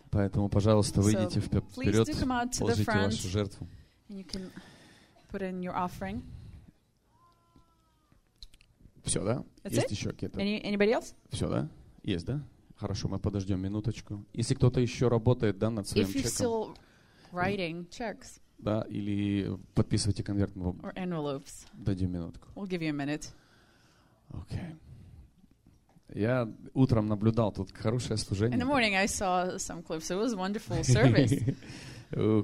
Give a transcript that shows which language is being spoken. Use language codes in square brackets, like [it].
[ru] Поэтому, пожалуйста, выйдите вперед, положите вашу жертву. [en] And you can put in your offering. [ru] Все, да? [en] That's [ru] есть [en] it? [ru] Еще какие-то? [en] Anybody else? [ru] Все, да? Есть, да? Хорошо, мы подождем минуточку. Если кто-то еще работает, да, над своим чеком. [en] If you're still writing checks. [ru] Да, или подписывайте конверт. [en] Or envelopes. [ru] Дадим минутку. [en] We'll give you a minute. Okay. [ru] Я утром наблюдал тут хорошее служение. [en] In the morning I saw some clips. It was a wonderful service.